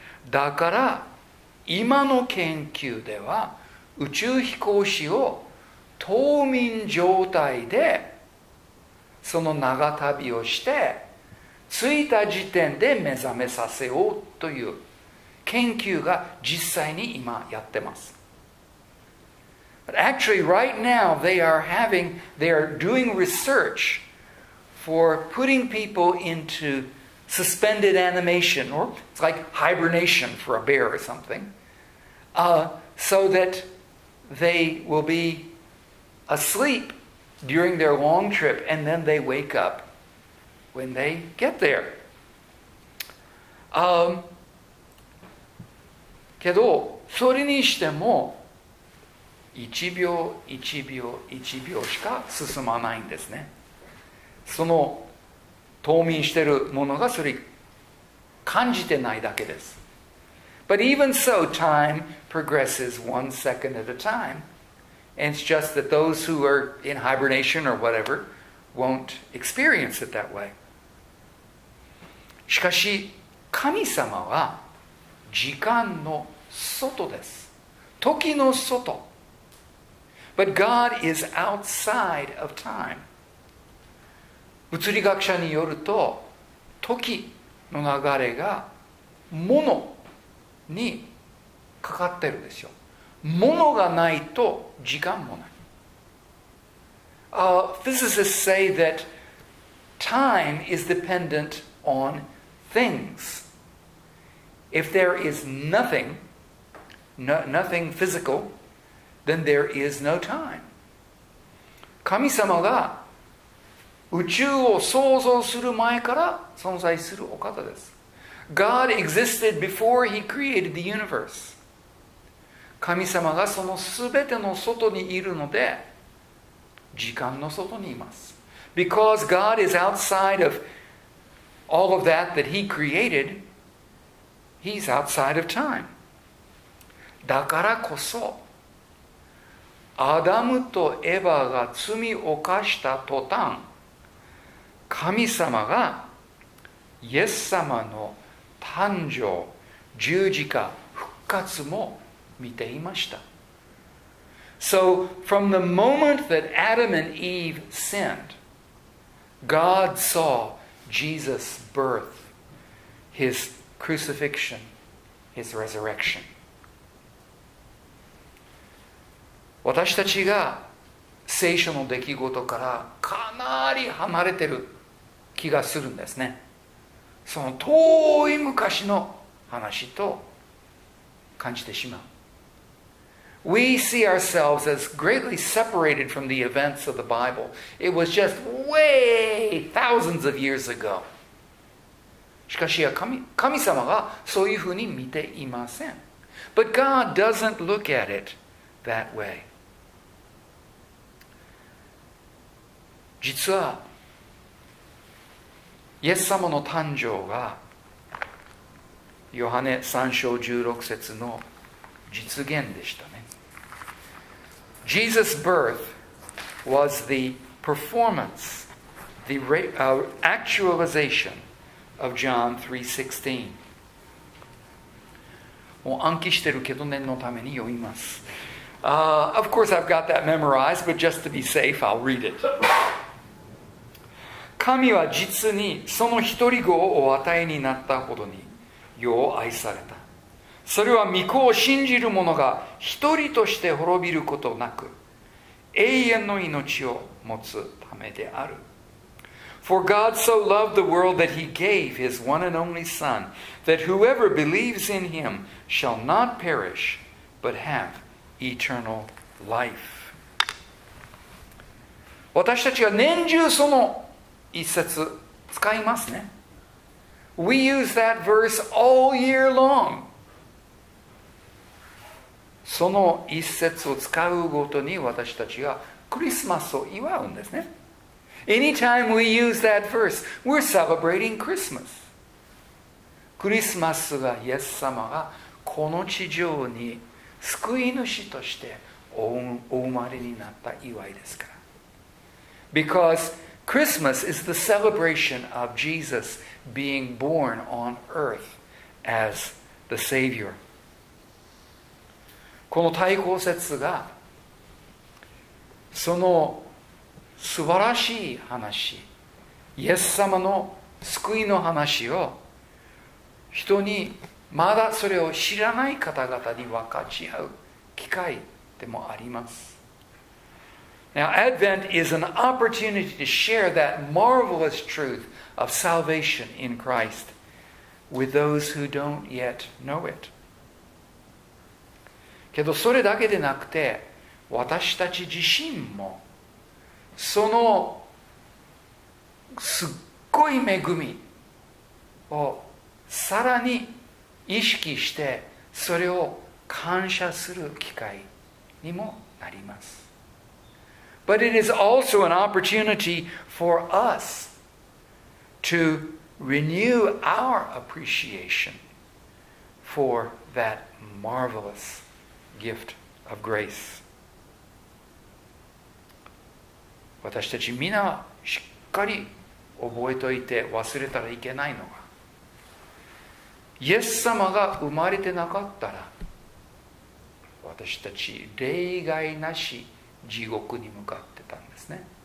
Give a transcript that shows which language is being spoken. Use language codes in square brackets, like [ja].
[ja] だから今の研究では宇宙飛行士を冬眠状態でその長旅をして着いた時点で目覚めさせようという研究が実際に今やってます。 [en] But actually, right now, they are doing research for putting people into suspended animation, or it's like hibernation for a bear or something, so that they will be asleep during their long trip and then they wake up. When they get there. [ja] けどそれにしても 1秒1秒1秒しか進まないんですね。その冬眠してるものがそれ感じてないだけです。 [en] But even so, time progresses one second at a time. And it's just that those who are in hibernation or whatever won't experience it that way. [ja] しかし神様は時間の外です。時の外。 [en] But God is outside of time. [ja] 物理学者によると時の流れが物にかかってるんですよ。物がないと時間もない。 [en] Physicists say that time is dependent on things. If there is nothing, nothing physical, then there is no time. [ja] 神様が宇宙を創造する前から存在するお方です。 [en] God existed before he created the universe. [ja] 神様がそのすべての外にいるので、時間の外にいます。 [en] Because God is outside of all of that that he created, he's outside of time. [ja] だからこそ、アダムとエバが罪を犯した途端、神様がイエス様の誕生、十字架、復活も見ていました。 [en] So, from the moment that Adam and Eve sinned, God saw Jesus' birth, his crucifixion, his resurrection. [ja] 私たちが聖書の出来事からかなり離れてる気がするんですね。その遠い昔の話と感じてしまう。 [en] We see ourselves as greatly separated from the events of the Bible. It was just way thousands of years ago. [ja] しかし神様がそういうふうに見ていません。 [en] But God doesn't look at it that way. [ja] 実は、イエス様の誕生がヨハネ3章16節の実現でしたね。 [en] Jesus' birth was the performance, the actualization of John 3:16. [ja] もう暗記してるけど念のために読みます。 [en] Of course I've got that memorized, but just to be safe, I'll read it. [ja] 神は実にその一人子をお与えになったほどによう愛された。それは御子を信じる者が一人として滅びることなく永遠の命を持つためである。 [en] For God so loved the world that he gave his one and only Son, that whoever believes in him shall not perish, but have eternal life. [ja] 私たちは年中その一節使いますね。 [en] We use that verse all year long. [ja] その一節を使うごとに私たちはクリスマスを祝うんですね。 [en] Anytime we use that verse, we're celebrating Christmas. [ja] クリスマスがイエス様がこの地上に救い主としてお生まれになった祝いですから。 [en] Because Christmas is the celebration of Jesus being born on earth as the Savior. [ja] この対抗説がその素晴らしい話、イエス様の救いの話を人にまだそれを知らない方々に分かち合う機会でもあります。 [en] Now, Advent is an opportunity to share that marvelous truth of salvation in Christ with those who don't yet know it. [ja] けどそれだけでなくて、私たち自身もそのすっごい恵みをさらに意識して、それを感謝する機会にもなあります。 [en] But it is also an opportunity for us to renew our appreciation for that marvelous gift of grace. [ja] 私たちみんなしっかり覚えておいて忘れたらいけないのが、イエス様が生まれてなかったら私たち例外なし地獄に向かってたんですね。